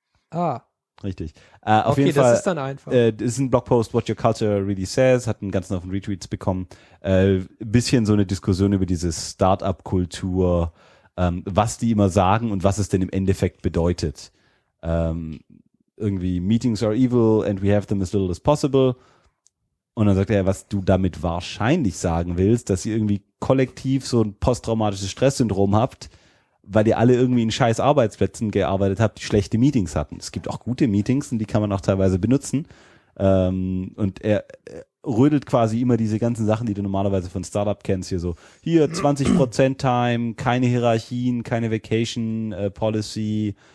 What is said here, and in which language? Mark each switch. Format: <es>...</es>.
<de>Ah. Richtig. Das ist dann einfach. Das ist ein Blogpost, What Your Culture Really Says, hat einen ganzen Haufen Retweets bekommen. Bisschen so eine Diskussion über diese Startup-Kultur, was die immer sagen und was es denn im Endeffekt bedeutet. Irgendwie,</de> <en>Meetings are evil and we have them as little as possible.</en> <de>Und dann sagt er, was du damit wahrscheinlich sagen willst, dass ihr irgendwie kollektiv so ein posttraumatisches Stresssyndrom habt, weil ihr alle irgendwie in scheiß Arbeitsplätzen gearbeitet habt, die schlechte Meetings hatten. Es gibt auch gute Meetings und die kann man auch teilweise benutzen. Und er rödelt quasi immer diese ganzen Sachen, die du normalerweise von Startup kennst, hier so, hier 20% Time, keine Hierarchien, keine Vacation Policy,</de>